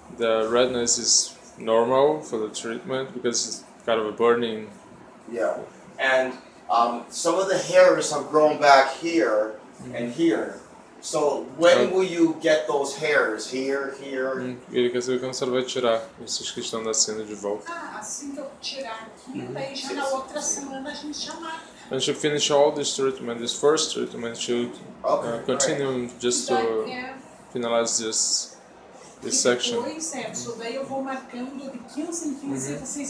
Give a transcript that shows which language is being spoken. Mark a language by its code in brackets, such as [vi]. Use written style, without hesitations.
[en] The redness is normal for the treatment, because it's kind of a burning. Yeah, and some of the hairs have grown back here and here. So when will you get those hairs? Here? [pt] Ele quer saber quando você vai tirar esses que estão nascendo de volta. Ah, assim que eu tirar aqui, daí já na outra semana a gente já marca. [en] When she finish all this treatment, this first treatment, she'll continue just to finalize this section. [pt] Depois, Edson, daí eu vou marcando de 15 em 15 dias.